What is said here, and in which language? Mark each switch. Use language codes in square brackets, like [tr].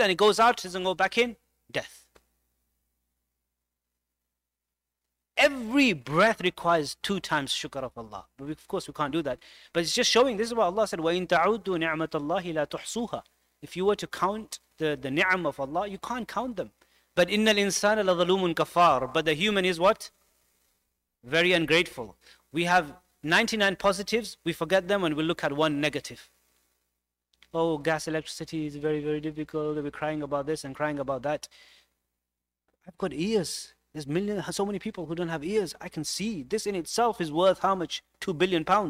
[en] And it goes out, doesn't go back in, death. Every breath requires two times shukr of Allah. But of course, we can't do that. But it's just showing, this is what Allah said, [ar] وَإِن تَعُدُّ نِعْمَةَ اللَّهِ لَا تُحْصُوهَا. [en] If you were to count the ni'am of Allah, you can't count them. But [ar] إِنَّ الْإِنسَانَ لَظَلُومٌ كَفَارٌ. [en] But the human is what? Very ungrateful. We have 99 positives, we forget them, and we look at one negative. Oh, gas, electricity is very, very difficult. We're crying about this and crying about that. I've got ears. There's millions, so many people who don't have ears. I can see. This in itself is worth how much? £2 billion.